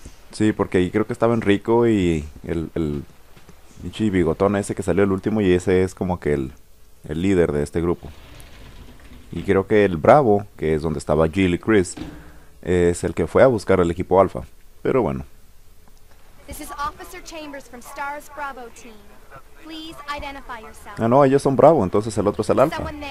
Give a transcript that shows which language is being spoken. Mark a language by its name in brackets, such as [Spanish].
[Spanish] Sí, porque ahí creo que estaba Enrico y el pinche bigotón ese que salió el último, y ese es como que el líder de este grupo. Y creo que el Bravo, que es donde estaba Jill y Chris, es el que fue a buscar al equipo Alpha. Pero bueno. [English] This is Officer Chambers from Star's Bravo team. Please identify yourself. [Spanish] Ah, no, ellos son Bravo, entonces el otro es el Alpha.